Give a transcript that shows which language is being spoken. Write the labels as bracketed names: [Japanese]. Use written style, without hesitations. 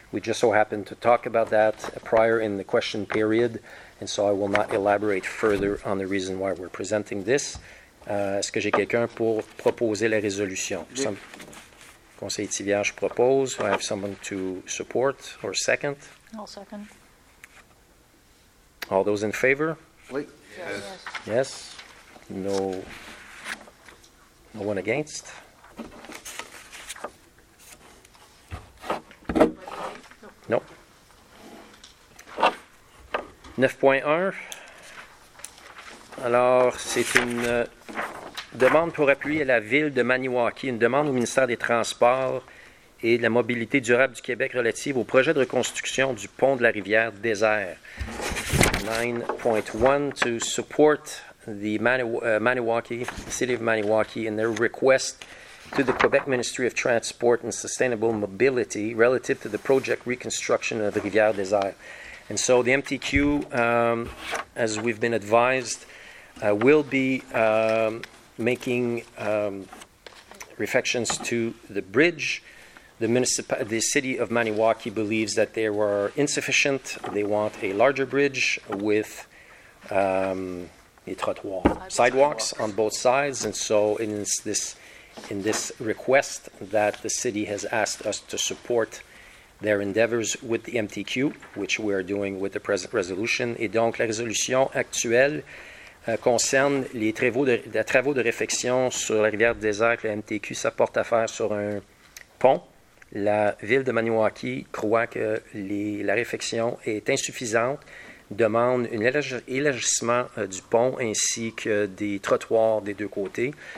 [English] We just so happened to talk about that prior in the question period. And so I will not elaborate further on the reason why we're presenting this. [French] Est-ce que j'ai quelqu'un pour proposer la résolution? Conseiller Thivierge propose. [English] I have someone to support or second. I'll second. All those in favor? [French] Oui. [English] Yes. No one against? No. 9.1. [French] Alors, c'est une demande pour appui à la ville de Maniwaki, une demande au ministère des Transports et de la Mobilité durable du Québec relative au projet de reconstruction du pont de la rivière Désert. [English] 9.1, to support the Maniwaki, City of Maniwaki, in their request to the Quebec Ministry of Transport and Sustainable Mobility relative to the project reconstruction of the Rivière Désert. And so the MTQ, as we've been advised, will be making reflections to the bridge. The city of Maniwaki believes that they were insufficient. They want a larger bridge with sidewalks on both sides. And so in this request that the city has asked us to support their endeavors with the MTQ, which we are doing with the present resolution. [French] Et donc, la résolution actuelle concerne les travaux de réfection sur la rivière Désert que la MTQ s'apporte à faire sur un pont. La ville de Maniwaki croit que la réfection est insuffisante, demande un élargissement du pont ainsi que des trottoirs des deux côtés.